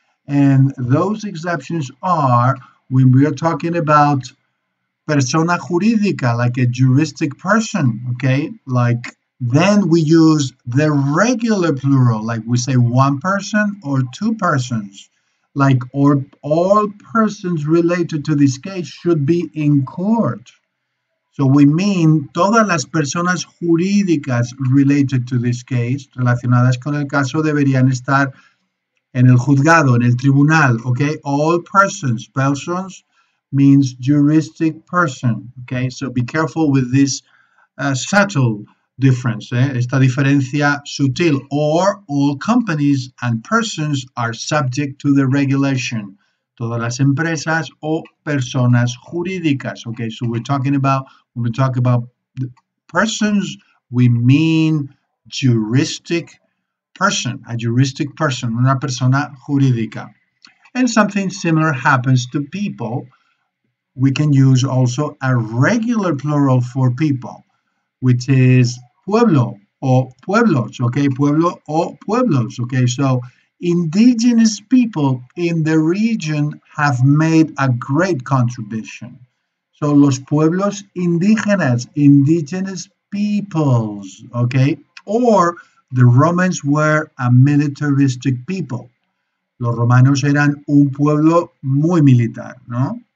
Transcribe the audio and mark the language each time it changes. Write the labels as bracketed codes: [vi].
[en] And those exceptions are when we are talking about [es] persona jurídica, [en] like a juristic person, okay? Like, then we use the regular plural, like we say one person or 2 persons. Like, or all persons related to this case should be in court. So we mean [es] todas las personas jurídicas [en] related to this case, [es] relacionadas con el caso, deberían estar en el juzgado, en el tribunal, okay? [en] All persons. Persons means juristic person, okay? So be careful with this subtle difference, [es] esta diferencia sutil. [en] Or all companies and persons are subject to the regulation. [es] Todas las empresas o personas jurídicas, okay? [en] So we're talking about, when we talk about persons, we mean juristic person, a juristic person, [es] una persona jurídica. [en] And something similar happens to people. We can use also a regular plural for people, which is pueblo or pueblos, okay? Pueblo or pueblos, okay? So indigenous people in the region have made a great contribution. [es] So los pueblos indígenas, [en] indigenous peoples, okay? Or the Romans were a militaristic people. [es] Los romanos eran un pueblo muy militar, ¿no?